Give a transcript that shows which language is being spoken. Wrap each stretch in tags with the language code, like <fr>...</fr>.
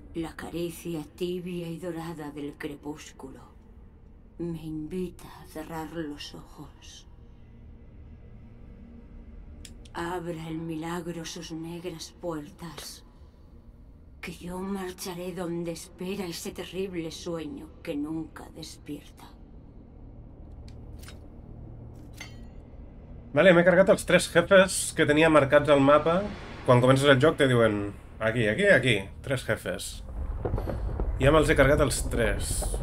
<es>La caricia tibia y dorada del crepúsculo me invita a cerrar los ojos. Abra el milagro sus negras puertas. Que yo marcharé donde espera ese terrible sueño que nunca despierta.</es> <ca>Vale, m'he cargat els tres jefes que tenia marcats al mapa. Quan comences el joc te diuen aquí, aquí, aquí, tres jefes. Ja me'ls he cargat els tres.</ca>